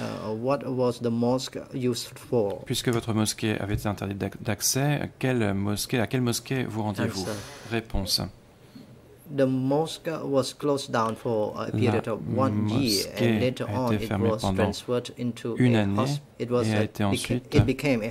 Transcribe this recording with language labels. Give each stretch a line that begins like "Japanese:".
English: Practiced or recited the scripture from the holy book. Question.
French: Puisque votre mosquée avait été interdite d'accès, à quelle mosquée vous rendiez-vous? Réponse.
English: The mosque was closed down for a period of one year, and later on it was transferred into a